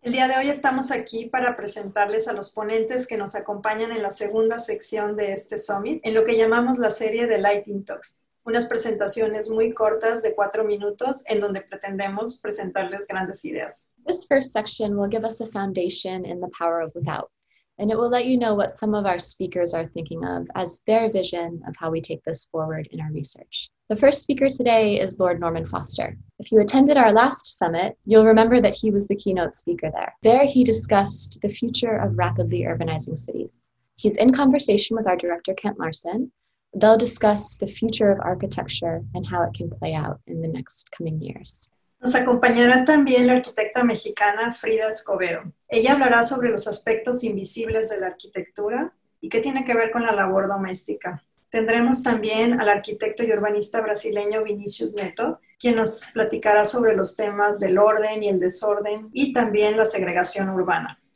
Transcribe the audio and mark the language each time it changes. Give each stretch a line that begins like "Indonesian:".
Spanish: El día de hoy estamos aquí para presentarles a los ponentes que nos acompañan en la segunda sección de este summit, en lo que llamamos la serie de Lightning Talks, unas presentaciones muy cortas de 4 minutos en donde pretendemos presentarles grandes ideas.
English: This first section will give us a foundation in the power of without, and it will let you know what some of our speakers are thinking of as their vision of how we take this forward in our research. The first speaker today is Lord Norman Foster. If you attended our last summit, you'll remember that he was the keynote speaker there. There he discussed the future of rapidly urbanizing cities. He's in conversation with our director, Kent Larson. They'll discuss the future of architecture and how it can play out in the next coming years.
Spanish: Nos acompañará también la arquitecta mexicana Frida Escobedo. Ella hablará sobre los aspectos invisibles de la arquitectura y qué tiene que ver con la labor doméstica. Tendremos también al arquitecto y urbanista brasileño Vinicius Netto, quien nos platicará sobre los temas del orden y el desorden y también la segregación urbana.